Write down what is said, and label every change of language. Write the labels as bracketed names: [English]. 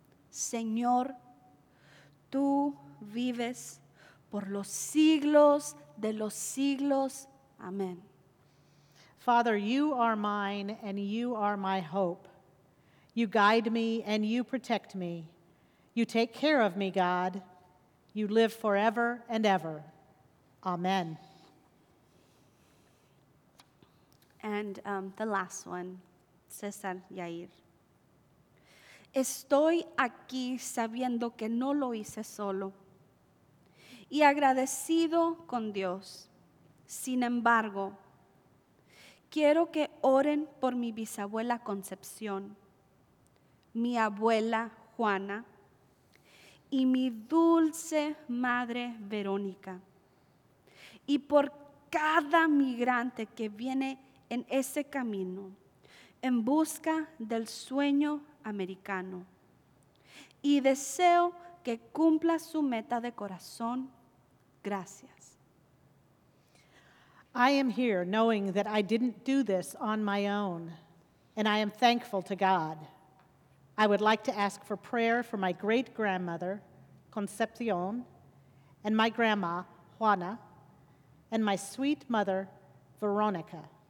[Spanish] Señor, tú vives por los siglos de los siglos. [English] Amen. Father, you are mine and you are my hope. You guide me and you protect me. You take care of me, God. You live forever and ever. Amen. And the last one, Cesar Yair. [Spanish] Estoy aquí sabiendo que no lo hice solo y agradecido con Dios. Sin embargo, quiero que oren por mi bisabuela Concepción, mi abuela Juana y mi dulce madre Verónica y por cada migrante que viene en ese camino en busca del sueño americano. Y deseo que cumpla su meta de corazón. Gracias. [English] I am here knowing that I didn't do this on my own, and I am thankful to God. I would like to ask for prayer for my great-grandmother, Concepcion, and my grandma, Juana, and my sweet mother, Veronica.